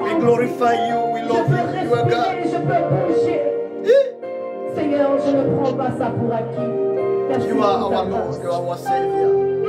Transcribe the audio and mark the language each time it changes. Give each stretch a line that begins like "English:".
English: we glorify you, we love you, you are God.
French: Je peux respirer, je peux bouger. Seigneur, je ne prends pas ça pour acquis. Merci
English: you are our Lord, you are our Savior.